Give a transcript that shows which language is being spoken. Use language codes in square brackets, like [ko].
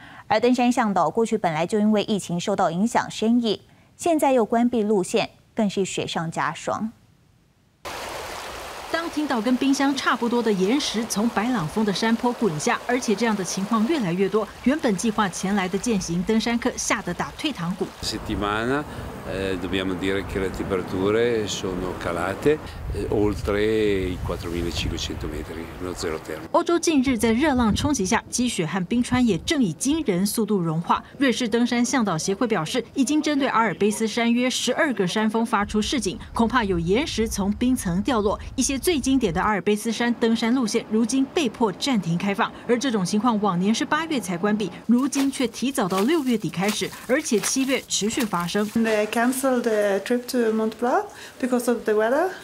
[zh] 而登山向导过去本来就因为疫情受到影响生意，现在又关闭路线，更是雪上加霜。当听到跟冰箱差不多的岩石从白朗峰的山坡滚下，而且这样的情况越来越多，原本计划前来的健行登山客吓得打退堂鼓。 [it] Settimana, dobbiamo dire che le temperature sono calate oltre i 4500 metri, lo zero termo. [zh] 欧洲近日在热浪冲击下，积雪和冰川也正以惊人速度融化。瑞士登山向导协会表示，已经针对阿尔卑斯山约12个山峰发出示警，恐怕有岩石从冰层掉落，一些最经典的阿尔卑斯山登山路线如今被迫暂停开放。而这种情况往年是8月才关闭，如今却提早到6月底开始，而且7月持续发生。 [en] They cancelled the trip to Mont Blanc because of the weather.